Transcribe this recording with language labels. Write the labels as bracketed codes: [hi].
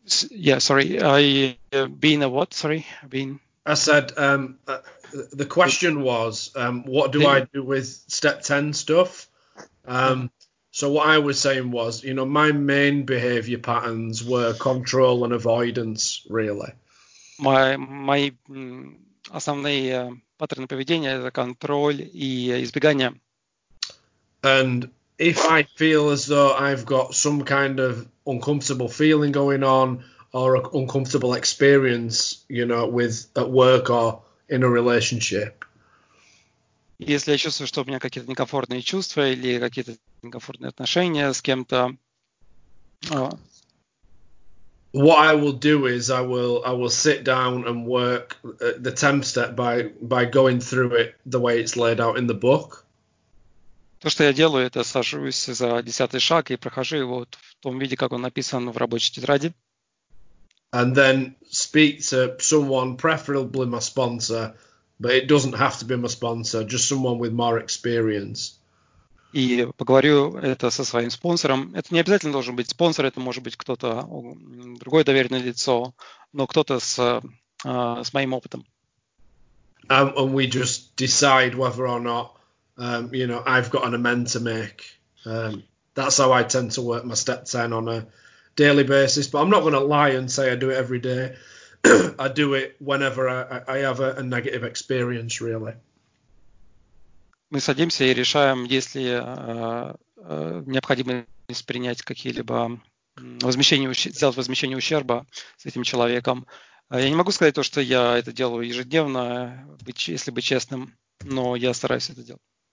[en] Yeah, sorry. Being a what? Sorry, being. I said the question was, what do I do with step 10 stuff? So what I was saying was, you know, my main behavior patterns were control and avoidance, really. [ru] My основные паттерны поведения — это контроль и избегание. [en] And if I feel as though I've got some kind of uncomfortable feeling going on or an uncomfortable experience, you know, with at work or in a relationship. [ru] Если я чувствую, что у меня какие-то некомфортные чувства или какие-то некомфортные отношения с кем-то. [en] What I will do is I will sit down and work the 10th step by going through it the way it's laid out in the book. [ru] То, что я делаю, это сажусь за 10-й шаг и прохожу его вот в том виде, как он написан в рабочей тетради. [en] And then speak to someone, preferably my sponsor, but it doesn't have to be my sponsor, just someone with more experience. [ru] И поговорю это со своим спонсором. Это не обязательно должен быть спонсор, это может быть кто-то, другое доверенное лицо, но кто-то с моим опытом. [en] And we just decide whether or not, you know, I've got an amend to make. That's how I tend to work my step 10 on a daily basis. But I'm not going to lie and say I do it every day. I do it whenever I have a negative experience, really. [ru] Мы садимся и решаем, есть ли необходимость принять какие-либо возмещение, сделать возмещение ущерба с этим человеком. Я не могу сказать то, что я это делаю ежедневно, если быть честным, но я стараюсь это делать.